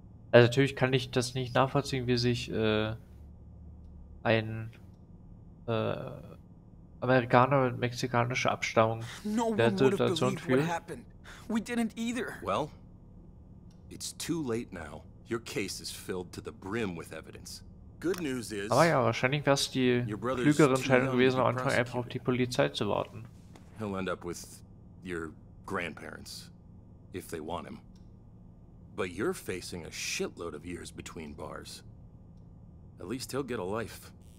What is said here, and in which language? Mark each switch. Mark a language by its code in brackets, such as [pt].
[de] Also natürlich kann ich das nicht nachvollziehen, wie sich Amerikaner mit mexikanischer Abstammung der Situation fühlen. [en] We didn't either. Well, it's too late now. Your case is filled to the brim with evidence. Good news is, [de] aber ja, wahrscheinlich wäre es die klügere Entscheidung gewesen, am Anfang einfach auf die Polizei zu warten. [en] He'll end up with your grandparents, if they want him. But you're facing a shitload of years between bars. At least he'll get a life.